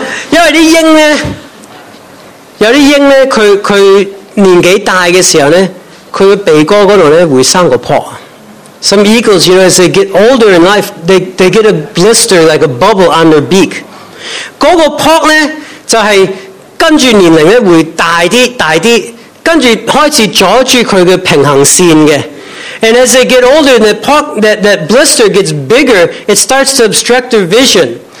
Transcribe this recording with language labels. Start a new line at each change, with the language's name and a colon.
Chinese: 因为那些鹰呢, 有些鹰呢, 它年纪大的时候呢, 它的鼻哥那里会生个泡。
English: Some eagles, you know, as they get older in life, they get a blister, like a bubble on their beak.
Chinese: 那个泡呢,就是跟着年龄会大一点,跟着开始阻止它的平衡线的。
English: And as they get older, the pork, that blister gets bigger, it starts to obstruct their vision.